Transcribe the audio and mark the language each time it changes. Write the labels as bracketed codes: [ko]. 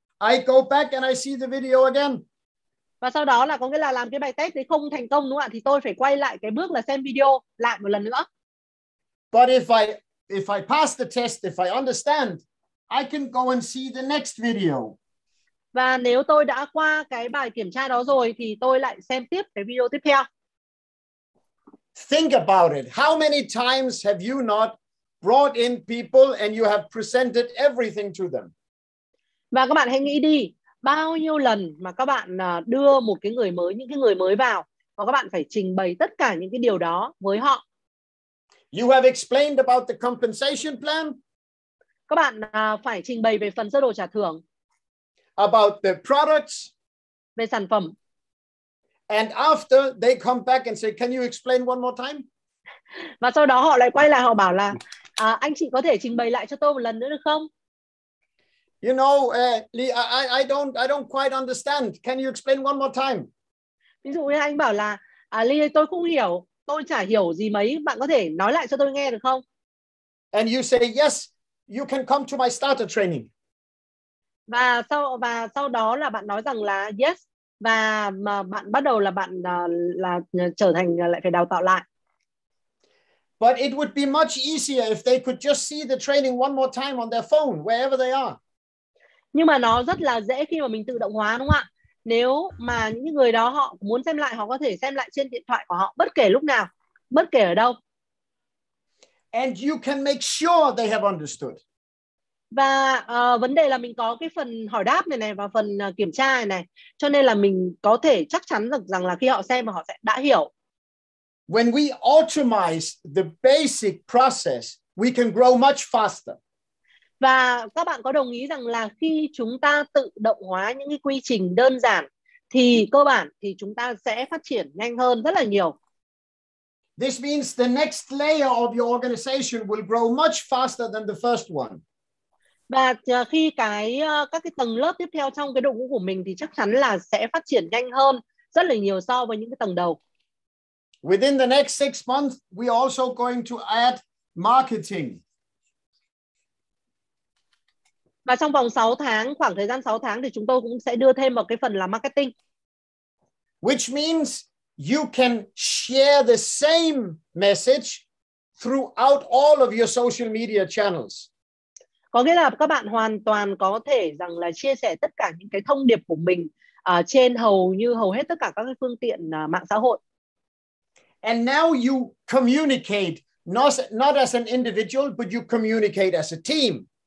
[en] I go back and I see the video again. [vi] Và sau đó là có nghĩa là làm cái bài test thì không thành công đúng không ạ? Thì tôi phải quay lại cái bước là xem video lại một lần nữa. [en] But if I pass the test, if I understand, I can go and see the next video. [vi] Và nếu tôi đã qua cái bài kiểm tra đó rồi thì tôi lại xem tiếp cái video tiếp theo. [en] Think about it. How many times have you not brought in people and you have presented everything to them? [vi] Và các bạn hãy nghĩ đi, bao nhiêu lần mà các bạn đưa một cái người mới, những cái người mới vào và các bạn phải trình bày tất cả những cái điều đó với họ. [en] You have explained about the compensation plan. [vi] Các bạn phải trình bày về phần sơ đồ trả thưởng. [en] About the products. [vi] Về sản phẩm. [en] And after they come back and say, can you explain one more time? [vi] Và sau đó họ lại quay lại, họ bảo là anh chị có thể trình bày lại cho tôi một lần nữa được không? [en] You know, I don't quite understand. Can you explain one more time? [vi] Ví dụ như anh bảo là, Lee, tôi không hiểu, tôi chả hiểu gì mấy, bạn có thể nói lại cho tôi nghe được không? [en] And you say, yes, you can come to my starter training. [vi] Và sau đó là bạn nói rằng là yes, và mà bạn bắt đầu là bạn là trở thành lại phải đào tạo lại. [en] But it would be much easier if they could just see the training one more time on their phone, wherever they are. [vi] Nhưng mà nó rất là dễ khi mà mình tự động hóa đúng không ạ? Nếu mà những người đó họ muốn xem lại, họ có thể xem lại trên điện thoại của họ bất kể lúc nào, bất kể ở đâu. [en] And you can make sure they have understood. [vi] Và vấn đề là mình có cái phần hỏi đáp này này và phần kiểm tra này này. Cho nên là mình có thể chắc chắn được rằng là khi họ xem và họ sẽ đã hiểu. [en] When we automate the basic process, we can grow much faster. [vi] Và các bạn có đồng ý rằng là khi chúng ta tự động hóa những cái quy trình đơn giản thì cơ bản thì chúng ta sẽ phát triển nhanh hơn rất là nhiều. [en] This means the next layer of your organization will grow much faster than the first one. [vi] Và khi các cái tầng lớp tiếp theo trong cái đội ngũ của mình thì chắc chắn là sẽ phát triển nhanh hơn rất là nhiều so với những cái tầng đầu. [en] Within the next 6 months, we are also going to add marketing. [vi] Và trong vòng 6 tháng, khoảng thời gian 6 tháng thì chúng tôi cũng sẽ đưa thêm vào cái phần là marketing. [en] Which means you can share the same message throughout all of your social media channels. [vi] Có nghĩa là các bạn hoàn toàn có thể rằng là chia sẻ tất cả những cái thông điệp của mình trên hầu hết tất cả các cái phương tiện mạng xã hội. [en] And now you communicate not as an individual, but you communicate as a team.